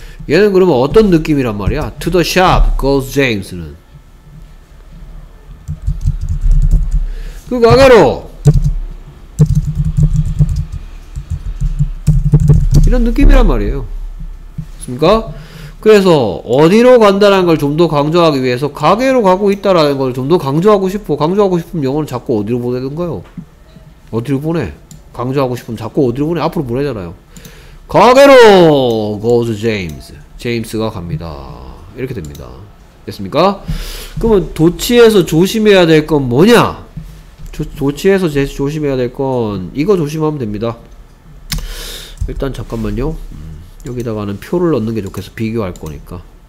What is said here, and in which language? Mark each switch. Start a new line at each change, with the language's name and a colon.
Korean: 얘는 그러면 어떤 느낌이란 말이야?
English: To the shop goes James
Korean: 는 그 가게로 이런 느낌이란 말이에요. 그렇습니까? 그래서 어디로 간다는 걸 좀 더 강조하기 위해서 가게로 가고 있다라는 걸 좀 더 강조하고 싶어. 강조하고 싶으면 영어는 자꾸 어디로 보내던가요? 어디로 보내? 강조하고 싶으면 자꾸 어디로 보내? 앞으로 보내잖아요. 가게로 goes James. 제임스가 갑니다. 이렇게 됩니다. 됐습니까? 그러면 도치에서 조심해야 될 건 뭐냐? 도치에서 조심해야 될 건 이거 조심하면 됩니다. 일단 잠깐만요. 여기다가는 표를 넣는 게 좋겠어. 비교할 거니까.